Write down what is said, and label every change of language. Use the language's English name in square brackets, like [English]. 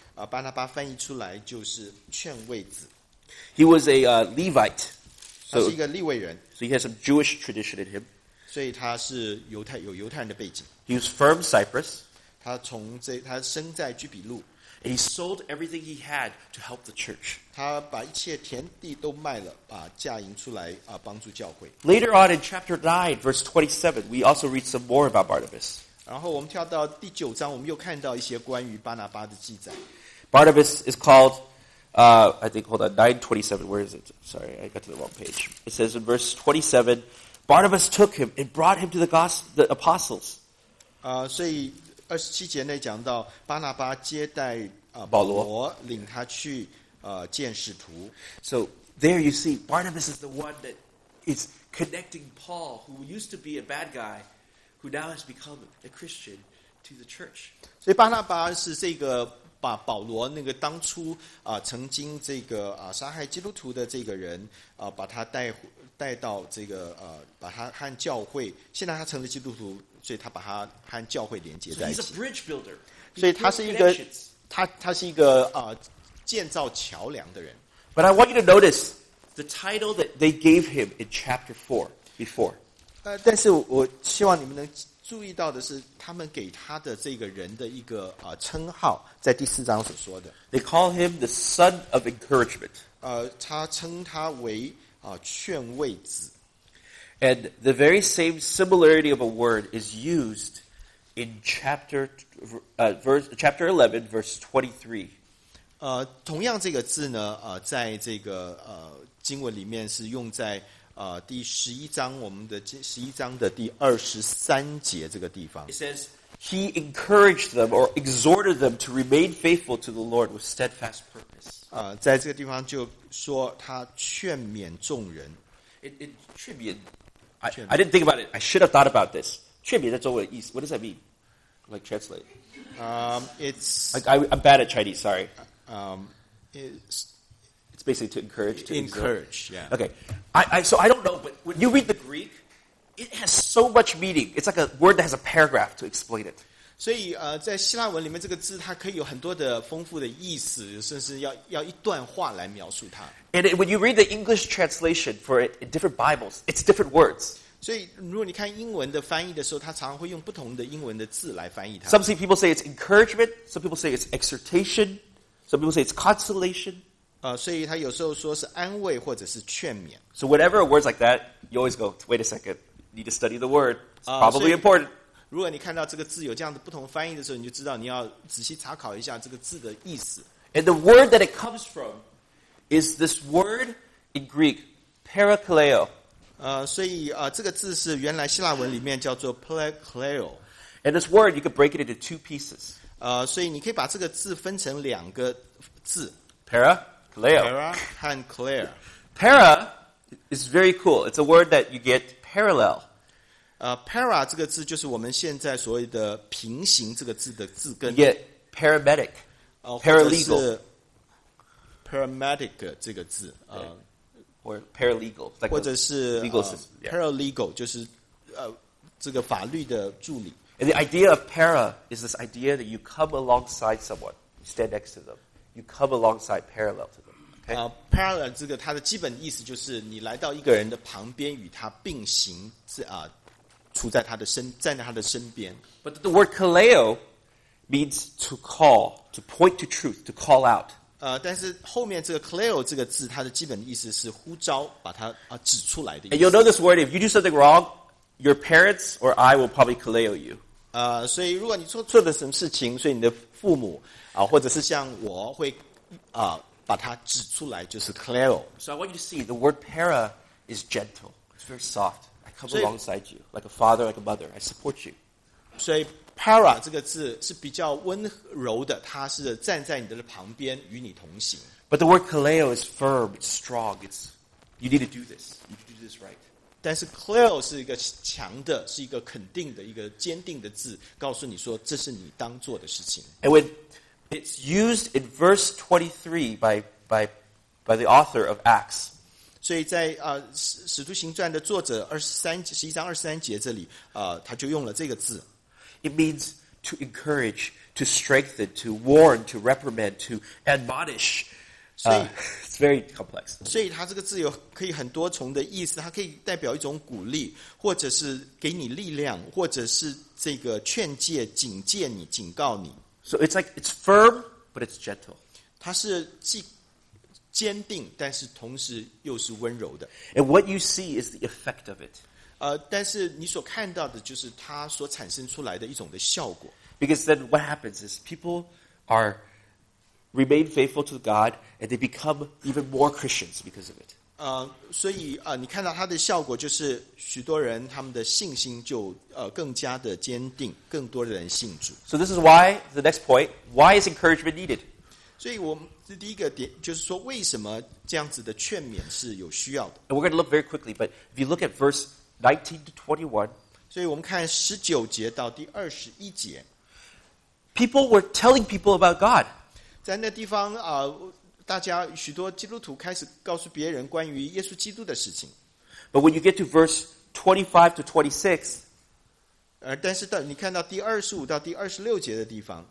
[Chinese] 巴拿巴翻译出来就是劝慰子。 [English] He was a Levite. [Chinese] 他是一个利未人。 [English] So he has some Jewish tradition in him. [Chinese] 所以他是犹太，有犹太人的背景。 [English] He was from Cyprus. [Chinese] 他生在居比路。 [English] He sold everything he had to help the church. [Chinese] 他把一切田地都卖了，把嫁银出来啊，帮助教会。 [English] Later on in chapter 9, verse 27, we also read some more about Barnabas. [Chinese] 然后我们跳到第九章，我们又看到一些关于巴拿巴的记载。 [English] Barnabas is called, I think, hold on, 9:27. Where is it? Sorry, I got to the wrong page. It says in verse 27, Barnabas took him and brought him to the apostles. [Chinese] 所以27节内讲到巴拿巴接待保罗，领他去见使徒。 [English] So there you see, Barnabas is the one that is connecting Paul, who used to be a bad guy, who now has become a Christian, to the church. [Chinese] 所以巴拿巴是这个把保罗那个当初曾经这个杀害基督徒的这个人把他带到这个把他和教会，现在他成了基督徒。所以他把他和教会连接在一起，所以他是一个建造桥梁的人。 [English] But I want you to notice the title that they gave him in chapter 4 before. [Chinese] 但是我希望你们能注意到的是，他们给他的这个人的一个称号，在第四章所说的。 [English] They call him the son of encouragement. [Chinese] 他称他为劝慰子。 [English] And the very same similarity of a word is used in chapter 11, verse 23. [Chinese] 同样这个字呢，在这个经文里面是用在第十一章，我们的十一章的第二十三节这个地方。 [English] It says, he encouraged them or exhorted them to remain faithful to the Lord with steadfast purpose. [Chinese] 在这个地方就说他劝勉众人。 [English] It tribute. I didn't think about it. I should have thought about this. [Chinese] 劝勉在中文意思, [English] what does that mean? Like translate. I'm bad at Chinese, sorry. It's basically to encourage. Yeah. Okay. So I don't know, but when you read the Greek, it has so much meaning. It's like a word that has a paragraph to explain it. [Chinese] 所以在希腊文里面这个字它可以有很多的丰富的意思，甚至要一段话来描述它。 [English] And when you read the English translation for it in different Bibles, it's different words. [Chinese] 所以如果你看英文的翻译的时候，它常常会用不同的英文的字来翻译它。 [English] Some see people say it's encouragement, some people say it's exhortation, some people say it's consolation. [Chinese] 所以它有时候说是安慰或者是劝勉。 [English] So whenever a word's like that, you always go, wait a second, need to study the word, it's probably important. [Chinese] 如果你看到这个字有这样的不同翻译的时候，你就知道你要仔细查考一下这个字的意思。 [English] And the word that it comes from is this word in Greek, parakaleo. [Chinese] 所以这个字是原来希腊文里面叫做 parakaleo. [English] And this word, you could break it into two pieces. [Chinese] 所以你可以把这个字分成两个字 [Greek] parakaleo. [Chinese] Para 和 kaleo. [English] Para is very cool. It's a word that you get parallel. [Chinese] Para 这个字就是我们现在所谓的平行这个字的字根。 [English] Yeah, paramedic, paralegal. [Chinese] Paramedic 这个字。 [English] Or paralegal.、Like、 [Chinese] 或者是 [English] legal system,、yeah. [Chinese] paralegal, 就是这个法律的助理。 [English] And the idea of para is this idea that you come alongside someone, you stand next to them, you come alongside parallel to them. [Chinese] Parallel 这个它的基本意思就是你来到一个人的旁边与他并行处在他的身，站在他的身边。 [English] But the word kaleo means to call, to point to truth, to call out. [Chinese] 但是后面这个 kaleo 这个字，它的基本意思是呼召，把它指出来的意思。 [English] And you'll know this word if you do something wrong, your parents or I will probably kaleo you. [Chinese] 所以如果你做了什么事情，所以你的父母或者是像我会把它指出来，就是 kaleo. [English] So I want you to see the word para is gentle. It's very soft. Come alongside you, like a father, like a mother. I support you. [Chinese] 所以 para 这个字是比较温柔的，它是站在你的旁边，与你同行。 [English] But the word kaleo is firm, it's strong, it's you need to do this, you need to do this right. [Chinese] 但是 kaleo 是一个强的，是一个肯定的，一个坚定的字，告诉你说这是你当做的事情。 [English] And when it's used in verse 23 by the author of Acts. [Chinese] 所以在使徒行传的作者十一章二十三节这里他就用了这个字。 [English] It means to encourage, to strengthen, to warn, to reprimand, to admonish. It's very complex. [Chinese] 所以它这个自由可以很多重的意思，它可以代表一种鼓励，或者是给你力量，或者是这个劝诫、警戒你、警告你。 [English] So it's like it's firm, but it's gentle. [Chinese] 它是既坚定，但是同时又是温柔的。 [English] And what you see is the effect of it. [Chinese] 但是你所看到的就是它所产生出来的一种的效果。 [English] Because then what happens is people are remain faithful to God, and they become even more Christians because of it. [Chinese] 所以你看到它的效果就是许多人他们的信心就更加的坚定，更多的人信主。 [English] So this is why the next point: why is encouragement needed? [Chinese] 所以我这第一个点就是说，为什么这样子的劝勉是有需要的？ [English] And we're going to look very quickly, but if you look at verse 19 to 21, [Chinese] 所以我们看十九节到第二十一节。 [English] People were telling people about God. [Chinese] 在那地方大家许多基督徒开始告诉别人关于耶稣基督的事情。 [English] But when you get to verse 25 to 26, [Chinese] 但是你看到第二十五到第二十六节的地方